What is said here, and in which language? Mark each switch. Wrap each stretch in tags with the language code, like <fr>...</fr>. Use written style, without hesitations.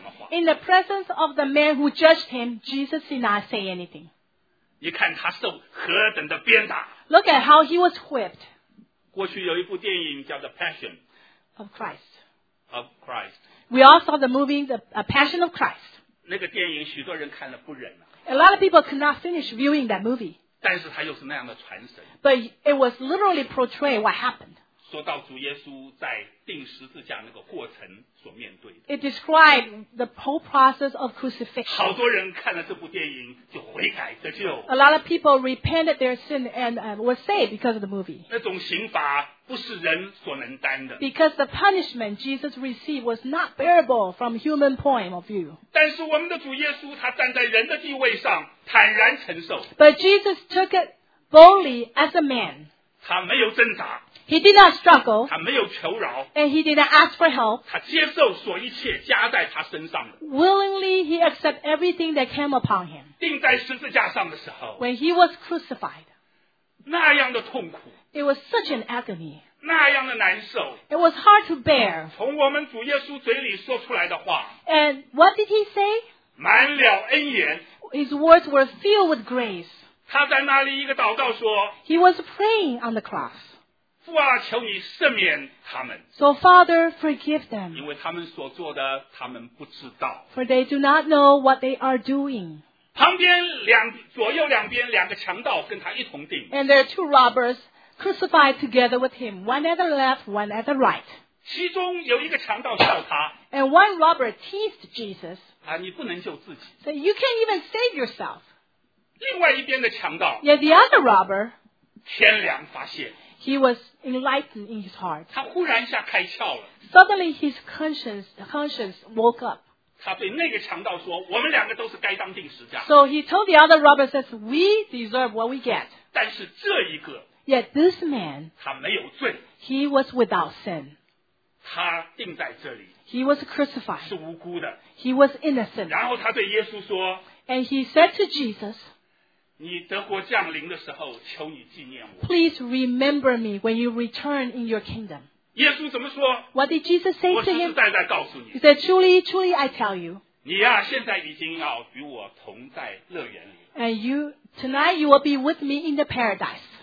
<en>in the presence of the man who judged him, Jesus did not say anything.</en> <zh>你看他受何等的鞭打,</zh> <en>look at how he was whipped.</en> <zh>过去有一部电影叫 The Passion</zh> <en>of Christ. Of Christ. We all saw the movie The Passion of Christ.</en> <zh>那个电影许多人看了不忍,</zh> <en>a lot of people could not finish viewing that movie.</en> <zh>但是他又是那样的传神,</zh> <en>but it was literally portrayed what happened.</en> <zh>说到主耶稣在钉十字架那个过程所面对的,</zh> <en>it described the whole process of crucifixion.</en> <zh>好多人看了这部电影就悔改得救,</zh> <en>a lot of people repented their sin and were saved because of the movie.</en> <zh>那种刑罚不是人所能担的,</zh> <en>because the punishment Jesus received was not bearable from human point of view.</en> <zh>但是我们的主耶稣他站在人的地位上, 坦然承受,</zh> <en>but Jesus took it boldly as a man.</en> <zh>他没有挣扎,</zh> <en>he did not struggle,</en> <zh>他没有求饶,</zh> <en>and he did not ask for help.</en> <zh>他接受所一切加在他身上的,</zh> <en>willingly he accepted everything that came upon him.</en> <zh>钉在十字架上的时候,</zh> <en>when he was crucified,</en> <zh>那样的痛苦,</zh> <en>it was such an agony,</en> <zh>那样的难受,</zh> <en>it was hard to bear.</en> <zh>从我们主耶稣嘴里说出来的话,</zh> <en>and what did he say?</en> <zh>满了恩言,</zh> <en>his words were filled with grace.</en> <zh>他在那里一个祷告说,</zh> <en>he was praying on the cross.</en> <zh>父啊, 求你赦免他们,</zh> <en>so Father, forgive them.</en> <zh>因为他们所做的, 他们不知道,</zh> <en>for they do not know what they are doing.</en> <zh>旁边两, 左右两边, 两个强盗跟他一同钉,</zh> <en>and there are two robbers crucified together with him, one at the left, one at the right.</en> <zh>其中有一个强盗笑他,</zh> <en>and one robber teased Jesus.</en> <zh>啊, 你不能救自己,</zh> <en>so you can't even save yourself.</en> <zh>另外一边的强盗,</zh> <en>yet the other robber,</en> <zh>天良发现,</zh> <en>he was enlightened in his heart.</en> <zh>他忽然一下开窍了,</zh> <en>suddenly his conscience woke up.</en> <zh>他对那个强盗说, 我们两个都是该当钉十架,</zh> <en>so he told the other robber, says, we deserve what we get.</en> <zh>但是这一个,</zh> <en>yet this man,</en> <zh>他没有罪,</zh> <en>he was without sin.</en> <zh>他钉在这里,</zh> <en>he was crucified.</en> <zh>是无辜的,</zh> <en>he was innocent.</en> <zh>然后他对耶稣说,</zh> <en>and he said to Jesus,</en> <zh>你德国降临的时候, 求你纪念我,</zh> <en>please remember me when you return in your kingdom.</en> <zh>耶稣怎么说?</zh> <en>What did Jesus say to him?</en> <zh>我实实在在告诉你,</zh> <en>he said, truly, truly, I tell you,</en> <zh>你啊, 现在已经要与我同在乐园里,</zh> <en>and you, tonight you will be with me in the paradise.</en>